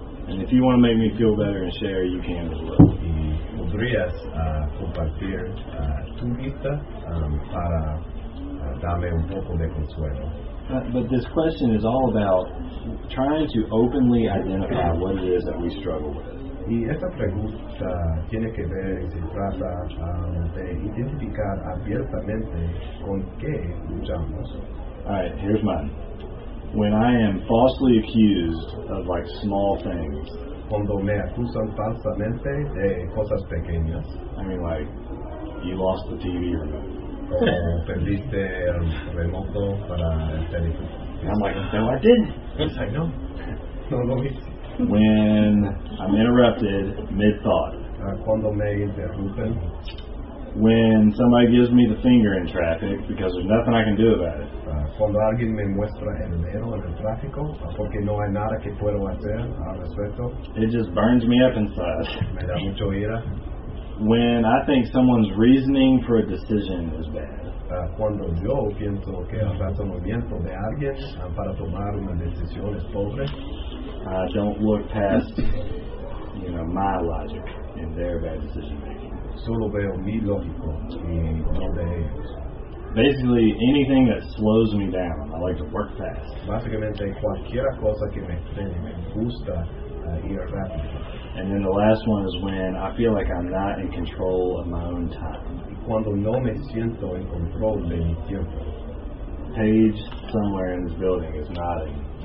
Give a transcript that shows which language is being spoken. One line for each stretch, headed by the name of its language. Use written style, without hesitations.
English: And if you want to make me feel better and share, you can as well.
Spanish: Y podrías compartir tu lista para darme un poco de consuelo.
English: But this question is all about trying to openly identify what it is that we struggle with.
Spanish: Y esta pregunta tiene que ver y se trata de identificar abiertamente con qué luchamos.
English: All right, here's mine. When I am falsely accused of like small things.
Spanish: Cuando me acusan falsamente de cosas pequeñas.
English: I mean, like, you lost the TV remote.
Spanish: Perdiste el remoto para el teléfono.
English: And I'm like, no, I didn't. It's like,
Spanish: no, no lo hice.
English: When I'm interrupted mid-thought.
Spanish: Cuando me interrumpen.
English: When somebody gives me the finger in traffic because there's nothing I can do about it.
Spanish: Cuando alguien me muestra el dedo en el tráfico porque no hay nada que puedo hacer al respecto.
English: It just burns me up inside.
Spanish: Me da mucho ira.
English: When I think someone's reasoning for a decision is bad.
Spanish: Cuando yo pienso que el razonamiento de alguien para tomar una decisión es pobre.
English: I don't look past, you know, my logic and their bad decision making.
Spanish: Solo veo mi lógico y no de ellos.
English: Basically, anything that slows me down, I like to work fast.
Spanish: Básicamente, cualquier cosa que me frene, me gusta ir rápido.
English: And then the last one is when I feel like I'm not in control of my own time.
Spanish: Y cuando no me siento en control de mi tiempo.
English: Paige somewhere in this building is nodding.